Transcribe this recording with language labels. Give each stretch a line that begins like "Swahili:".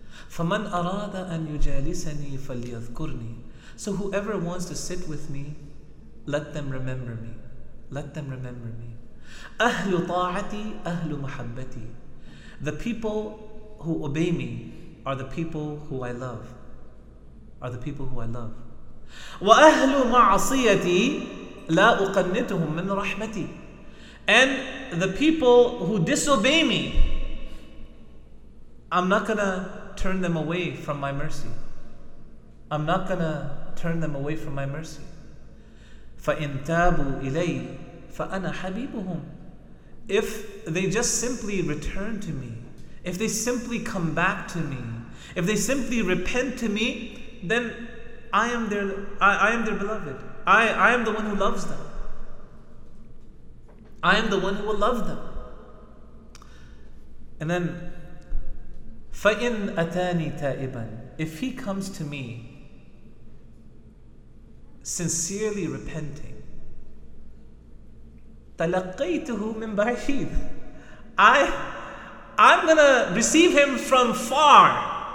Arabic: فَمَنْ أَرَادَ أَنْ يُجَالِسَنِي فَلْيَذْكُرْنِي,
English: so whoever wants to sit with me, let them remember me. Let them remember me.
Arabic: أَهْلُ طَاعَتِي أَهْلُ مُحَبَّتِي,
English: the people who obey me are the people who I love. Are the people who I love.
Arabic: وأهل معصيتي لا أقنتهم من رحمتي.
English: And the people who disobey me, I'm not gonna turn them away from my mercy. I'm not gonna turn them away from my mercy.
Arabic: فَإِن تَابُوا إِلَيْهِ فَأَنَا حَبِيبُهُمْ.
English: If they just simply return to me, if they simply come back to me, if they simply repent to me, then I am their beloved. I am the one who loves them. I am the one who will love them. And then,
Arabic: فَإِنْ أَتَانِي تَائِبًا.
English: If he comes to me sincerely repenting,
Arabic: تَلَقَّيْتُهُ مِنْ بَعِيدٍ.
English: I'm gonna receive him from far.